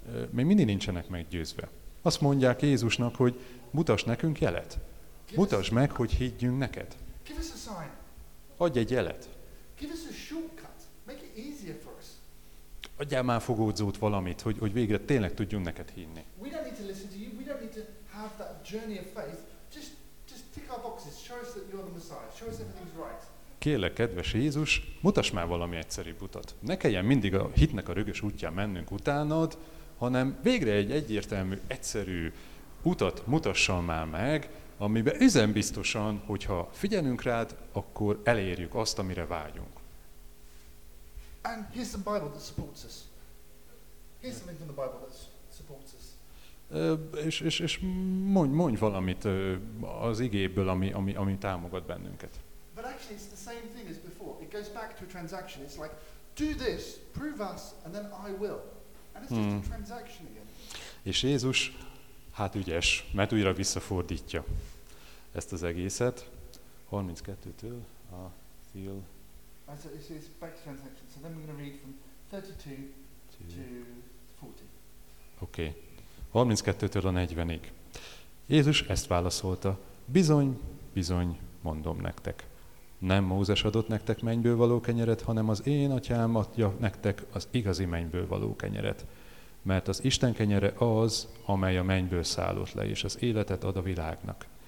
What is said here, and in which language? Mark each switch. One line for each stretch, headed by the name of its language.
Hungarian: Még mindig nincsenek meggyőzve. Azt mondják Jézusnak, hogy mutass nekünk jelet. Mutass meg, hogy higgyünk neked. Adj egy jelet.
English: Give us a shortcut. Make it easier for us.
Hungarian: Adjál már fogódzót valamit, hogy végre tényleg tudjunk neked hinni.
English: We don't need to listen to you. We don't need to have that journey of faith. Just tick our boxes. Show us that you're the Messiah. Show us everything's right.
Hungarian: Kérlek, kedves Jézus, mutass már valami egyszerűbb utat. Ne kelljen mindig a hitnek a rögös útján mennünk utánad, hanem végre egy egyértelmű, egyszerű utat mutassal már meg, amiben üzenbiztosan, hogyha figyelünk rád, akkor elérjük azt, amire vágyunk.
English: And here's the Bible that supports us. Here's something from the Bible that supports us.
Hungarian: És mondj valamit az igéből, ami támogat bennünket.
English: But actually it's the same thing as before. It goes back to a transaction. It's like, do this, prove us, and then I will. And it's just a transaction again.
Hungarian: És Jézus, hát ügyes, mert újra visszafordítja ezt az egészet. 32-től a till.
English: So it's back to transaction. So then we're going to read from 32 to 40.
Hungarian: Okay. 32-től a 40-ig. Jézus ezt válaszolta, bizony, bizony, mondom nektek. Nem Mózes adott nektek mennyből való kenyeret, hanem az én atyám adja nektek az igazi mennyből való kenyeret. Mert az Isten kenyere az, amely a mennyből szállott le, és az életet ad a világnak.